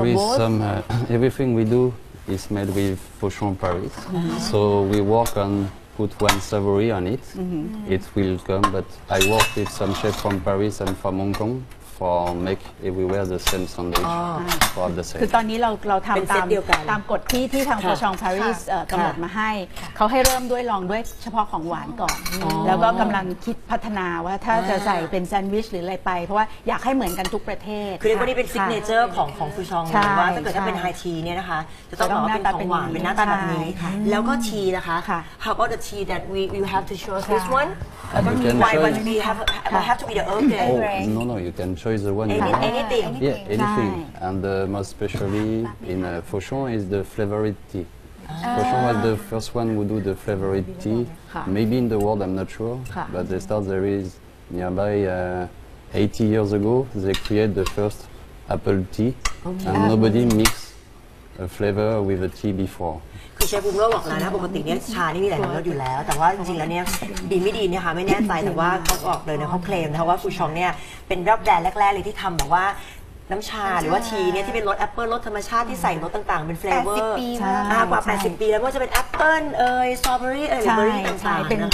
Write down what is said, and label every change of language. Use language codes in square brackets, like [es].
[en] There is some, everything we do is made with Fochon Paris. So we work on put one savory on it. It will come, but I worked with some chef from Paris and from Hong Kong for make if we wear the same sandwich for the same [th] คือตอนนี้เราทำตามกฎที่ทางโพชองปารีสกำหนดมาให้เขาให้เริ่มด้วยลองด้วยเฉพาะของหวานก่อนแล้วก็กำลังคิดพัฒนาว่าถ้าจะใส่เป็นแซนด์วิชหรืออะไรไปเพราะว่าอยากให้เหมือนกันทุกประเทศ คือเรียกว่านี่เป็นซิกเนเจอร์ของโพชองว่าถ้าเกิดถ้าเป็นไฮทีเนี่ยนะคะจะต้องบอกว่าเป็นของหวานเป็นหน้าตาแบบนี้แล้วก็ทีนะคะ [en] How about the tea that we have to choose this one I don't know why but we have to be the Earl Grey No, you can choose the one you want. Anything. Yeah, anything. And most especially in Fauchon is the flavored tea. Fauchon was the first one who do the flavored tea. Maybe in the world, I'm not sure. But they start there is nearby 80 years ago, they create the first apple tea. And nobody mix a flavor with a tea before. [th] เชฟบุ้งก็บอกแล้วนะปกติเนี่ยชานี่มีหลายรสอยู่แล้วแต่ว่าจริงๆแล้วเนี่ยดีไม่ดีเนี่ยค่ะไม่แน่ใจแต่ว่าเขาออกเลยนะเขาเคลมนะว่าฟูชองเนี่ยเป็นรอบแดนแรกๆเลยที่ทำแบบว่าน้ำชาหรือว่าทีเนี่ยที่เป็นรสแอปเปิ้ลรสธรรมชาติที่ใส่รสต่างๆเป็นเฟลเวอร์ กว่า80ปีแล้วก็จะเป็นแอปเปิ้ลเอ่ยสตรอเบอรี่เอ่ยเบอร์รี่ต่างๆ